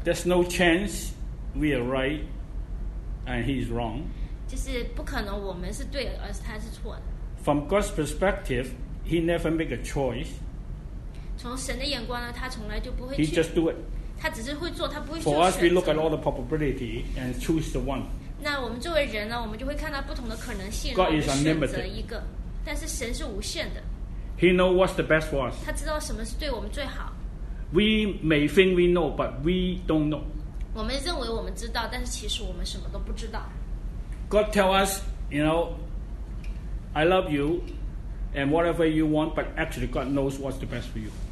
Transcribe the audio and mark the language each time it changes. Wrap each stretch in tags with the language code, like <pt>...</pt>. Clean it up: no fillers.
<en>There's no chance we are right, and he's wrong.</en> <zh>就是不可能我们是对，而是他是错的。</zh> <en>From God's perspective, he never make a choice.</en> <zh>从神的眼光呢，他从来就不会去。</zh> <en>He just do it.</en> <zh>他只是会做，他不会去选择。</zh> <en>For us, we look at all the probability and choose the one.</en> <zh>那我们作为人呢，我们就会看到不同的可能性，</zh> <en>God is unlimited.</en> <zh>但是神是无限的。</zh> <en>He knows what's the best for us.</en> <zh>他知道什么是对我们最好。</zh> <en>We may think we know, but we don't know.</en> <zh>我们认为我们知道，但是其实我们什么都不知道。</zh> <en>God tell us, you know, I love you and whatever you want, but actually God knows what's the best for you.</en>